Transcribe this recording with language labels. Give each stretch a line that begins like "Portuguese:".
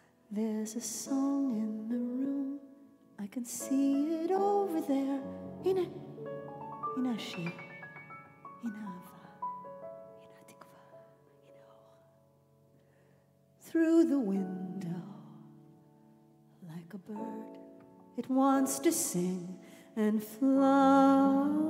English: There's a song in the room, I can see it over there.
Hebrew: הנה, הנה השיר, הנה אהבה, הנה התקווה, הנה אור.
English: Through the window, like a bird, it wants to sing and fly.